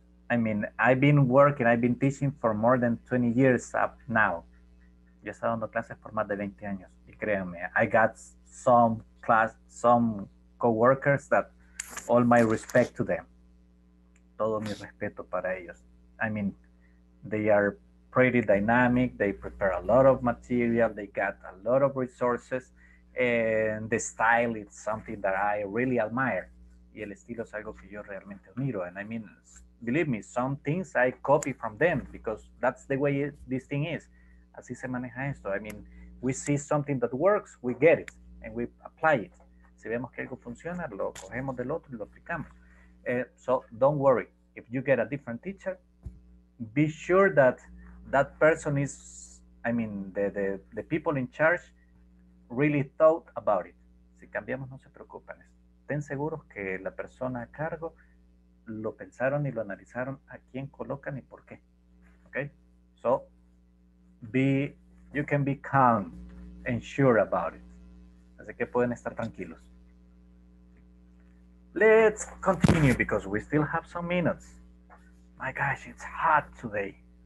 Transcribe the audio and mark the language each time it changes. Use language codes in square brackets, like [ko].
[en] I mean, I've been working, I've been teaching for more than 20 years up now. [es] Yo estaba dando clases por más de 20 años. Y créanme, [en] I got some co-workers that all my respect to them. [es] Todo mi respeto para ellos. [en] I mean, they are pretty dynamic. They prepare a lot of material. They got a lot of resources. And the style is something that I really admire. [es] Y el estilo es algo que yo realmente admiro. [en] And I mean, believe me, some things I copy from them because that's the way this thing is. [es] Así se maneja esto. [en] I mean, we see something that works, we get it, and we apply it. [es] Si vemos que algo funciona, lo cogemos del otro y lo aplicamos. [en] So don't worry. If you get a different teacher, be sure that that person is, I mean, the people in charge really thought about it. [es] Si cambiamos, no se preocupen. Estén seguros que la persona a cargo lo pensaron y lo analizaron a quién colocan y por qué. [en] Okay? So, you can be calm and sure about it. Así que pueden estar tranquilos. Let's continue because we still have some minutes. My gosh, it's hot today.